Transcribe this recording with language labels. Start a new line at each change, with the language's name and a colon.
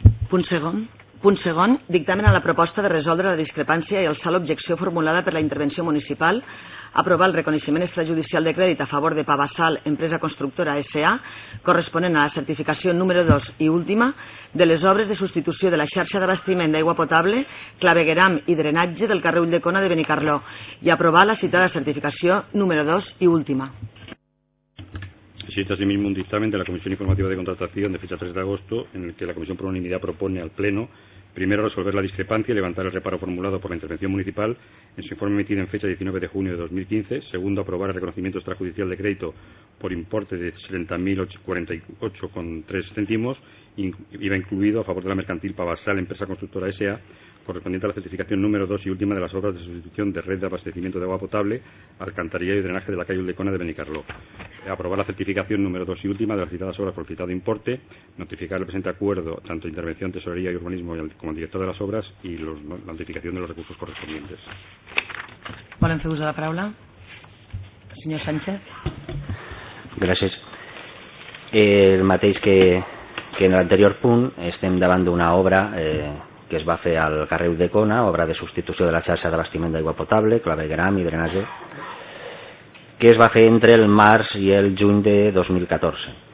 Catalan: Punt segon, dictamen a la proposta de resoldre la discrepància i alçar l'objecció formulada per la intervenció municipal, aprovar el reconeixement extrajudicial de crèdit a favor de Pavasal, empresa constructora S.A., corresponent a la certificació número 2 i última de les obres de substitució de la xarxa d'abastiment d'aigua potable, clavegueram i drenatge del carrer Ulldecona de Benicarló i aprovar la citada certificació número 2 i última.
Spanish: Existe asimismo un dictamen de la Comisión Informativa de Contratación de fecha 3 de agosto en el que la Comisión por unanimidad propone al Pleno primero resolver la discrepancia y levantar el reparo formulado por la Intervención Municipal en su informe emitido en fecha 19 de junio de 2015, segundo aprobar el reconocimiento extrajudicial de crédito por importe de 70.048,03 € iba incluido a favor de la mercantil Pavasal, empresa constructora S.A., correspondiente a la certificación número 2 y última de las obras de sustitución de red de abastecimiento de agua potable, alcantarilla y drenaje de la calle Ulldecona de Benicarló. Aprobar la certificación número 2 y última de las citadas obras por citado importe, notificar el presente acuerdo tanto a Intervención, Tesorería y Urbanismo como al director de las obras y la notificación de los recursos correspondientes.
Catalan: Volen fer ús de la paraula.
Spanish: Señor Sánchez. Gracias.
Catalan: El mateix que en l'anterior punt, estem davant d'una obra que es va fer al carrer Ulldecona, obra de substitució de la xarxa d'abastiment d'aigua potable, clavegueram i drenatge, que es va fer entre el març i el juny de 2014.